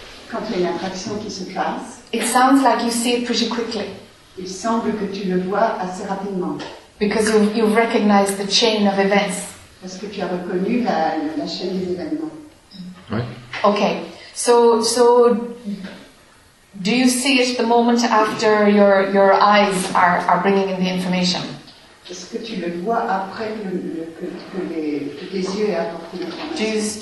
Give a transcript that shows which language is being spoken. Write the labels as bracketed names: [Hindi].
[French] quand il y a une attraction qui se passe, [English] it sounds like you see it pretty quickly. [French] Il semble que tu le vois assez rapidement. [English] Because you've recognized the chain of events. [French] Parce que tu as reconnu la chaîne des événements. Oui. [English] Okay. So do you see it the moment after your eyes are bringing in the information? [French] Est-ce que tu le vois après que tes yeux aient apporté l'information?